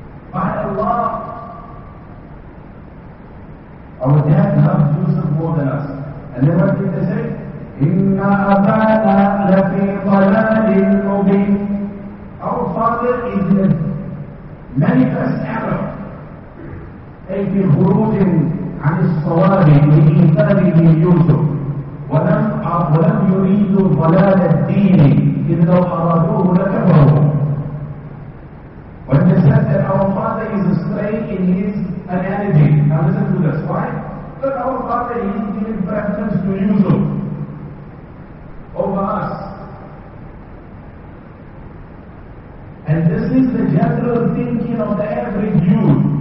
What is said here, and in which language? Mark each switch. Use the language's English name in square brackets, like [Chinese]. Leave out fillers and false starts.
[English] By Allah, our dad loved Yusuf more than us. And then what did they say? [Arabic] إِنَّ أَبَانَا لَفِي ضَلَالٍ مُبِينٍ. [English] Our father is in a manifest error. [Arabic] أي في خروج عن الصواب لإيثاره يوسف ولم يريد ضلال الدين إن لو أرادوه لكفروا. [English] When they said that our father is astray in his analogy. Now listen to this. Why? But our father, he's giving preference to Yusuf over us. And this is the general thinking of every youth.